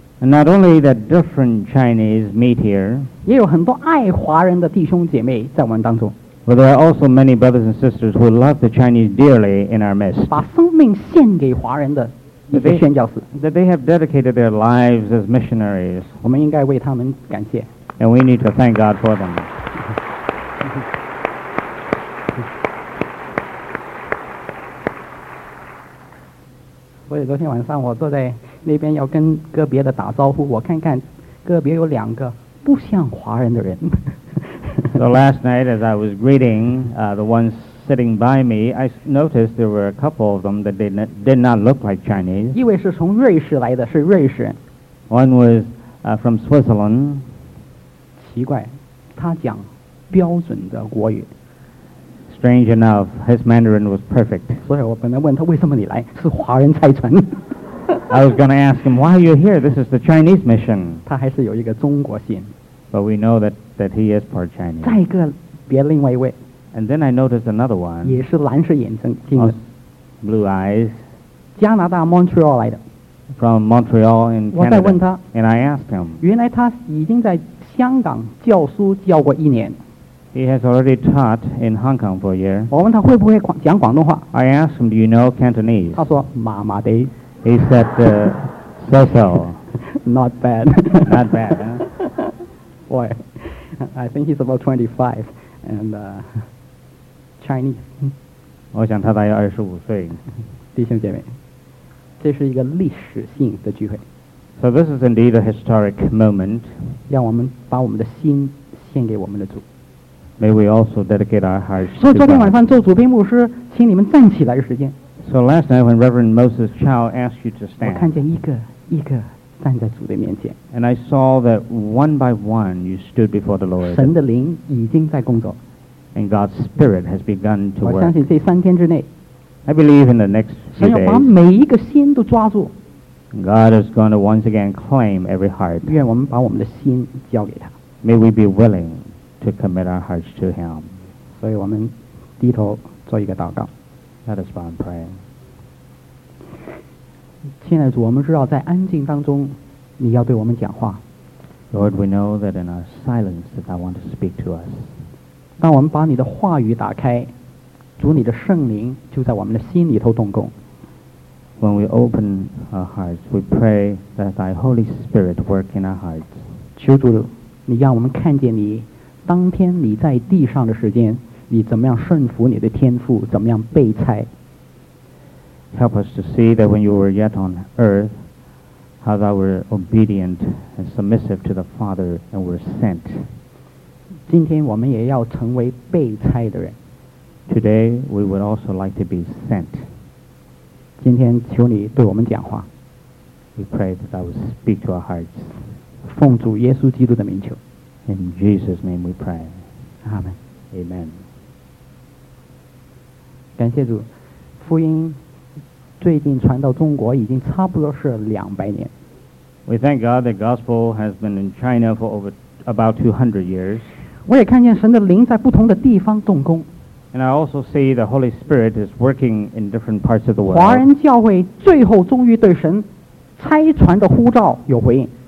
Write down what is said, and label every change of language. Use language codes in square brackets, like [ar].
[en] And not only that different Chinese meet here. [zh] 也有很多爱华人的弟兄姐妹在我们当中。 [en] But there are also many brothers and sisters who love the Chinese dearly in our midst. [zh] 把生命献给华人的。 [en] That they have dedicated their lives as missionaries. [zh] 我们应该为他们感谢。 [en] And we need to thank God for them. [zh] 所以昨天晚上我坐在那边要跟个别的打招呼，我看看个别有两个不像华人的人。 [en] So last night as I was greeting the ones sitting by me, I noticed there were a couple of them that did not look like Chinese. [zh] 一位是从瑞士来的，是瑞士人。 [en] One was from Switzerland. [zh] 奇怪，他讲标准的国语。 [en] Strange enough, his Mandarin was perfect. [zh] 所以我本来问他为什么你来，是华人拆船。 [en] I was going to ask him, why are you here? This is the Chinese mission. [zh] 他还是有一个中国心。 [en] But we know that he is part Chinese. [zh] 再一个，别另外一位。 [en] And then I noticed another one. [zh] 也是蓝色眼睛听的。 [en] Blue eyes. [zh] 加拿大 Montreal 来的。 [en] From Montreal in Canada. [zh] 我在问他。 [en] And I asked him. [zh] 原来他已经在香港教书教过一年。 [en] He has already taught in Hong Kong for a year. [zh] 我问他会不会讲广东话。 [en] I asked him, do you know Cantonese? [zh] 他说麻麻的。 [en] He said, so-so. Not bad. Not bad, huh? Boy, I think he's about 25. And Chinese. [zh] 我想他大约25岁。弟兄姐妹，这是一个历史性的聚会。 [en] So this is indeed a historic moment. [zh] 让我们把我们的心献给我们的主。 [en] May we also dedicate our hearts to God. [zh] 所以昨天晚上做主编牧师请你们站起来的时间。 [en] So last night when Reverend Moses Chow asked you to stand. [zh] 我看见一个一个站在主的面前。 [en] And I saw that one by one you stood before the Lord. [zh] 神的灵已经在工作。 [en] And God's Spirit has begun to work. [zh] 我相信这三天之内。 [en] I believe in the next few days. [zh] 神要把每一个心都抓住。 [en] God is going to once again claim every heart. [zh] 愿我们把我们的心交给他。 [en] May we be willing to commit our hearts to Him. [zh] 所以我们低头做一个祷告。 [en] Let us bow and pray. [zh] 亲爱的主，我们知道在安静当中，你要对我们讲话。 [en] Lord, we know that in our silence that Thou wants to speak to us. [zh] 当我们把你的话语打开，主你的圣灵就在我们的心里头动工。 [en] When we open our hearts, we pray that Thy Holy Spirit work in our hearts. [zh] 求主，你让我们看见你当天你在地上的时间，你怎么样顺服你的天父，怎么样被差。 [en] Help us to see that when you were yet on earth, how Thou were obedient and submissive to the Father and were sent. [zh] 今天我们也要成为被差的人。 [en] Today we would also like to be sent. [zh] 今天求你对我们讲话。 [en] We pray that I will speak to our hearts. [zh] 奉主耶稣基督的名求。 [en] In Jesus' name we pray. Amen. Amen. [zh] 感谢主，福音最近传到中国已经差不多是200年。 [en] We thank God that gospel has been in China for over about 200 years. [zh] 我也看见神的灵在不同的地方动工。 [en] And I also see the Holy Spirit is working in different parts of the world. [zh] 华人教会最后终于对神差传的呼召有回应。